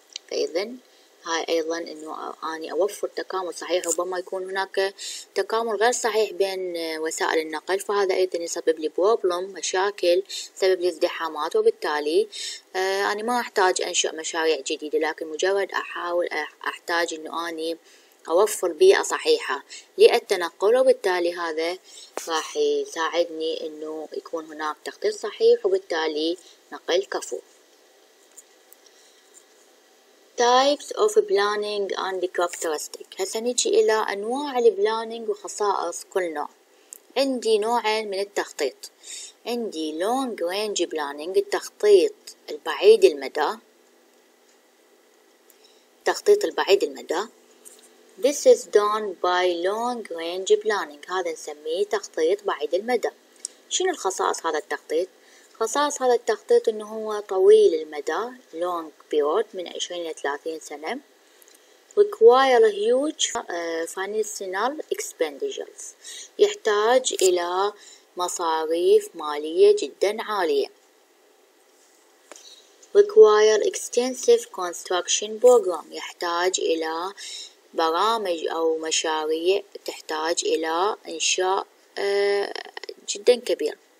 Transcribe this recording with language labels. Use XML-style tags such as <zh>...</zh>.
<ar>فإذا هاي أيضا أنه أني أوفر تكامل صحيح، ربما يكون هناك تكامل غير صحيح بين وسائل النقل، فهذا أيضا يسبب لي بروبلم، مشاكل، سبب لي ازدحامات، وبالتالي أنا ما أحتاج أنشئ مشاريع جديدة، لكن مجرد أحاول أحتاج أنه أني أوفر بيئة صحيحة للتنقل، وبالتالي هذا راح يساعدني أنه يكون هناك تخطيط صحيح وبالتالي نقل كفو.</ar> <en>Types of planning and characteristics.</en> <ar>هسه نجي إلى أنواع البلانينج وخصائص كل نوع. عندي نوعين من التخطيط، عندي</ar> <en>long range planning،</en> <ar>التخطيط البعيد المدى، التخطيط البعيد المدى.</ar> <en>This is done by long range planning.</en> <ar>هذا نسميه تخطيط بعيد المدى. شنو الخصائص هذا التخطيط؟ خصائص هذا التخطيط انه هو طويل المدى،</ar> <en>long period،</en> <ar>من 20 الى 30 سنة.</ar> <en>Require a huge financial expenditures.</en> <ar>يحتاج الى مصاريف مالية جدا عالية.</ar> <en>Require extensive construction program.</en> <ar>يحتاج الى برامج أو مشاريع تحتاج إلى إنشاء جدا كبير.</ar>